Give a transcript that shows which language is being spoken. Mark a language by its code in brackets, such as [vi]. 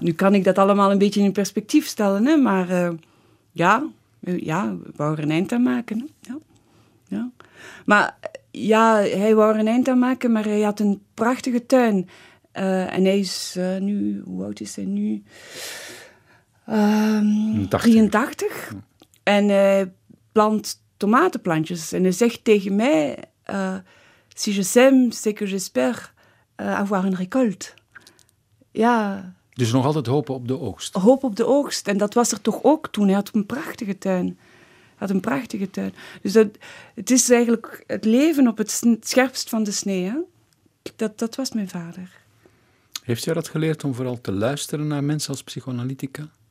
[nl] Nu kan ik dat allemaal een beetje in perspectief stellen, hè? Maar ja, wou er een eind aan maken. Ja. Ja. Maar ja, hij wou er een eind aan maken, maar hij had een prachtige tuin. En hij is nu, hoe oud is hij nu? 83. En hij plant tomatenplantjes. En hij zegt tegen mij, [fr] si je sème, c'est que j'espère avoir une récolte. [nl] Ja. Dus nog altijd hopen op de oogst. Hopen op de oogst. En dat was er toch ook toen. Hij had een prachtige tuin. Hij had een prachtige tuin. Dus het is eigenlijk het leven op het scherpst van de snee. Hè? Dat was mijn vader. Heeft jij dat geleerd om vooral te luisteren naar mensen als psychoanalytica?